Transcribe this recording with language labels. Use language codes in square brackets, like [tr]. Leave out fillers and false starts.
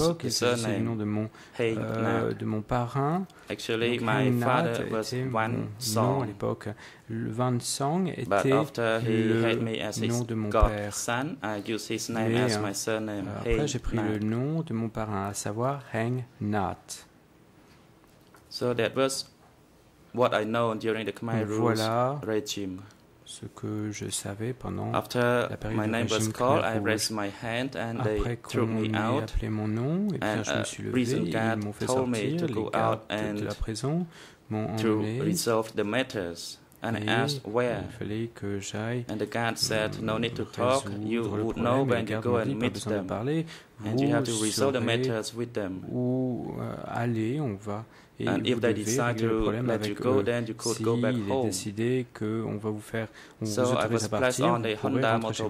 [fr] C'était le nom de mon parrain. [en] Actually, my father was Vann [fr] Song. À l'époque, le Vann Song était le nom de mon père. [en] But after he had me as his godson, I used his name as my surname. [fr] Après, j'ai pris le nom de mon parrain, à savoir Heng Nath. [en] So that was what I know during the Khmer Rouge regime. [fr] Ce que je savais pendant la période du régime Khmer Rouge. Après qu'on m'ait appelé mon nom, et bien je me suis levé, ils m'ont fait sortir, les gardes de la prison m'ont emmené, et il fallait que j'aille résoudre le problème. Les gardes m'ont dit, pas besoin de parler, vous saurez où aller, on va. Et [en] and if they decide to let you go, then you could go back home. [fr] Si il est décidé que on va vous faire, on vous autorise à partir, vous pourrez rentrer chez vous.